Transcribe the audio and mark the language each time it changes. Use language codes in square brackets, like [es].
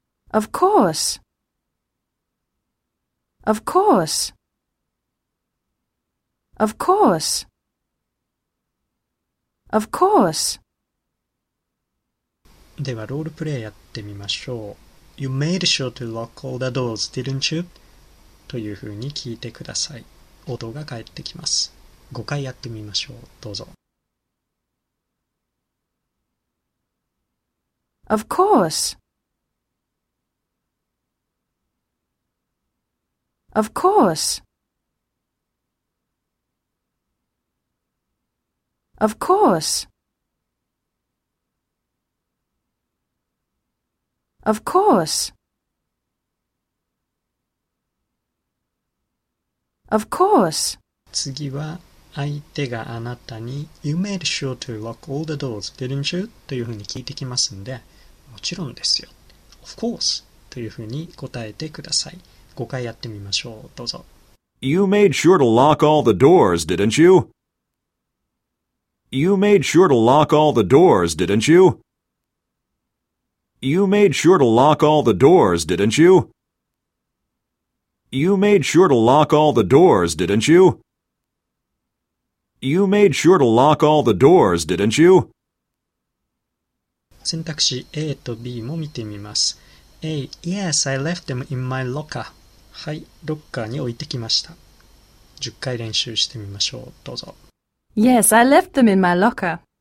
[en] Of course. Of course. Of course. Of course. [ja] ではロールプレイやってみましょう。 [en] You made sure to lock all the doors, didn't you? [ja] というふうに聞いてください。音が返ってきます。5回やってみましょう。どうぞ。 [en] Of course. Of course. Of course. Of course. Of course. [ja] 次は相手があなたに [en] You made sure to lock all the doors, didn't you? [ja] というふうに聞いてきますんで、もちろんですよ。 [en] Of course. [ja] というふうに答えてください。 5回やってみましょう。どうぞ。 [en] You made sure to lock all the doors, didn't you? You made sure to lock all the doors, didn't you? You made sure to lock all the doors, didn't you? You made sure to lock all the doors, didn't you? You made sure to lock all the doors, didn't you? [ja] 選択肢 A と B も見てみます。 [en] A, yes, I left them in my locker. [ja] はい、ロッカーに置いてきました。10回練習してみましょう。どうぞ。 [en] Yes, I left them in my locker.